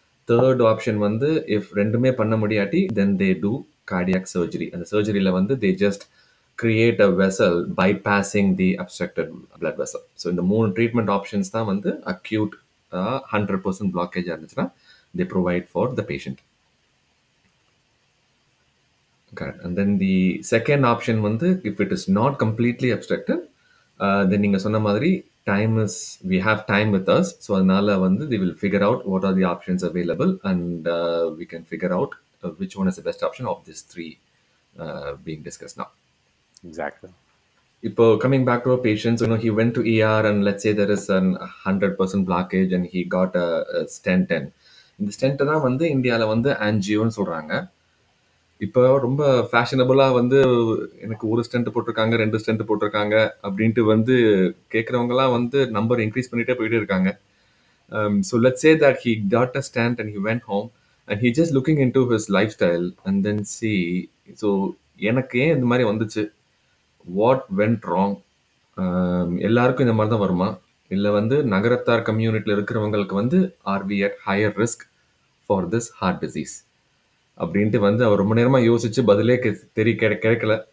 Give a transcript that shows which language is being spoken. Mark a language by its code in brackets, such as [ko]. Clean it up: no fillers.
[en] third option வந்து if [ta] ரெண்டுமே பண்ண முடியாட்டி [en] Then they do cardiac surgery. [ta] அந்த சர்ஜரியில் வந்து [en] They just create a vessel bypassing the obstructed blood vessel. [ta] So இந்த மூணு ட்ரீட்மெண்ட் ஆப்ஷன்ஸ் தான் வந்து அக்யூட் 100% பிளாக்கேஜ் இருந்துச்சுன்னா [en] They provide for the patient. Correct. And then the second option vandu, if it is not completely obstructed, then [ta] neenga sonna maadhiri [en] time is, we have time with us, so [ta] adanalae vandu [en] they will figure out what are the options available and we can figure out which one is the best option of these three being discussed now. Exactly. [ta] Ipo [en] coming back to our patients, you know, he went to ER and let's say there is an 100% blockage and he got a stent in. In the stent [ta] da vandu indiala vandu angio nu solranga. இப்போ ரொம்ப ஃபேஷனபுளாக வந்து எனக்கு ஒரு stent போட்டிருக்காங்க, ரெண்டு stent போட்டிருக்காங்க அப்படின்ட்டு வந்து கேட்குறவங்கலாம் வந்து நம்பர் இன்க்ரீஸ் பண்ணிகிட்டே போயிட்டே இருக்காங்க. [en] so let's say that he got a stent and he went home and he just looking into his lifestyle and then see, so [ta] எனக்கு ஏன் இந்த மாதிரி வந்துச்சு, [en] what went wrong, [ta] எல்லாருக்கும் இந்த மாதிரி தான் வருமா, இல்லை வந்து நகரத்தார் கம்யூனிட்டியில் இருக்கிறவங்களுக்கு வந்து [en] are we at higher risk for this heart disease [ta] அப்படின்ட்டு வந்து அவர் ரொம்ப நேரமாக யோசிச்சு பதிலே கிடைக்கல.